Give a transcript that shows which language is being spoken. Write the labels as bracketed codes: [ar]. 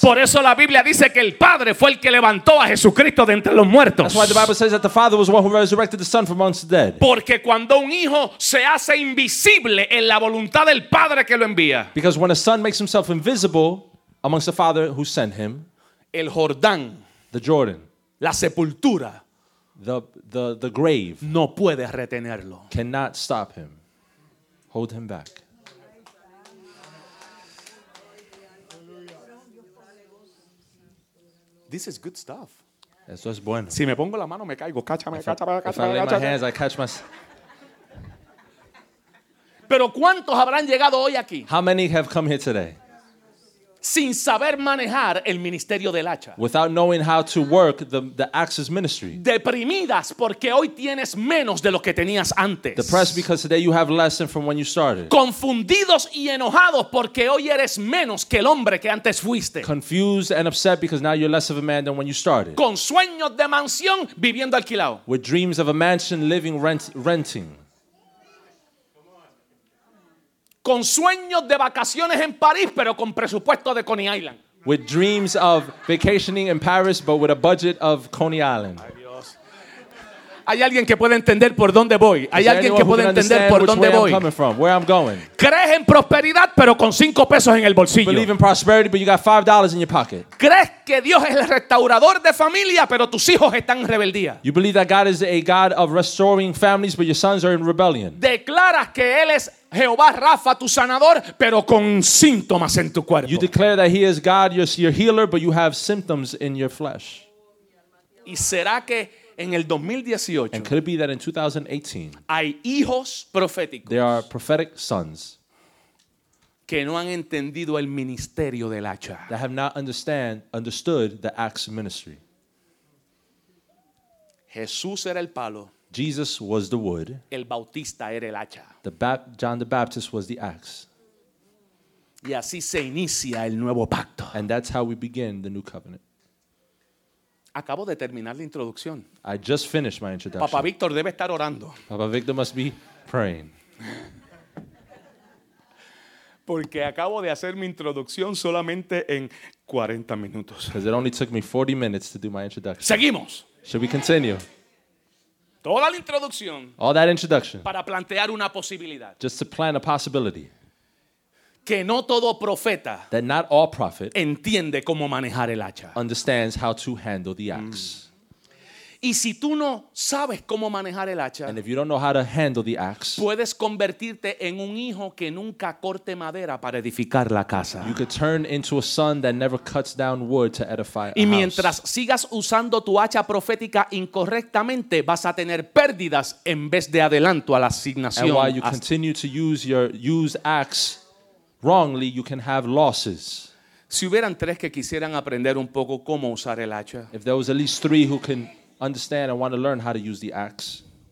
[es] Por eso la Biblia dice que el Padre fue el que levantó a Jesucristo de entre los muertos. [en] That's why the Bible says that the Father was one who resurrected the Son from amongst the dead. [es] Porque cuando un hijo se hace invisible en la voluntad del Padre que lo envía. [en] Because when a son makes himself invisible amongst the Father who sent him. [es] El Jordán. [en] The Jordan. [es] La sepultura. [en] The grave. [es] No puede retenerlo. [en] Cannot stop him. Hold him back. This is good stuff. [es] Eso es bueno. Si me pongo la mano, me caigo. Pero ¿cuántos habrán llegado hoy aquí? [en] How many have come here today? [es] Sin saber manejar el ministerio del hacha. [en] Without knowing how to work the axe's ministry. [es] Deprimidas porque hoy tienes menos de lo que tenías antes. [en] Depressed because today you have less than from when you started. [es] Confundidos y enojados porque hoy eres menos que el hombre que antes fuiste. [en] Confused and upset because now you're less of a man than when you started. [es] Con sueños de mansión viviendo alquilado. [en] With dreams of a mansion living renting. [es] Con sueños de vacaciones en París, pero con presupuesto de Coney Island. [en] With dreams of vacationing in Paris, but with a budget of Coney Island. [es] Ay, Dios. Hay alguien que puede entender por dónde voy. Hay alguien que puede entender por dónde voy. [en] Coming from, where I'm going. [es] Crees en prosperidad, pero con cinco pesos en el bolsillo. [en] Believe in prosperity, but you got $5 in your pocket. [es] Crees que Dios es el restaurador de familia, pero tus hijos están en rebeldía. [en] You believe that God is a God of restoring families, but your sons are in rebellion. [es] Declaras que Él es Jehová Rafa, tu sanador, pero con síntomas en tu cuerpo. [en] You declare that He is God, your healer, but you have symptoms in your flesh. [es] ¿Y será que en el 2018, [en] and could it be that in 2018 [es] hay hijos proféticos, [en] there are prophetic sons [es] que no han entendido el ministerio del hacha, [en] that have not understood the axe ministry? [es] Jesús era el palo. [en] Jesus was the wood. [es] El Bautista era el hacha. [en] John the Baptist was the axe. [es] Y así se inicia el nuevo pacto. [en] And that's how we begin the new covenant. [es] Acabo de terminar la introducción. [en] I just finished my introduction. [es] Papá Víctor debe estar orando. [en] Papá Víctor must be praying. [es] Porque acabo de hacer mi introducción solamente en 40 minutos. [en] Because it only took me 40 minutes to do my introduction. [es] Seguimos. [en] Should we continue? [es] Toda la introducción. [en] All that introduction. [es] Para plantear una posibilidad. [en] Just to plan a possibility. [es] Que no todo profeta, [en] that not all prophet, [es] entiende cómo manejar el hacha, [en] understands how to handle the axe. [es] Y si tú no sabes cómo manejar el hacha, [en] and if you don't know how to handle the axe, [es] puedes convertirte en un hijo que nunca corte madera para edificar la casa. [en] You could turn into a son that never cuts down wood to edify a house. [es] Y mientras sigas usando tu hacha profética incorrectamente, vas a tener pérdidas en vez de adelanto a la asignación. [en] And while you continue to use your used axe wrongly, you can have losses. [es] Si hubieran tres que quisieran aprender un poco cómo usar el hacha. [en] If there was at least three who can understand and want to learn how to use the axe.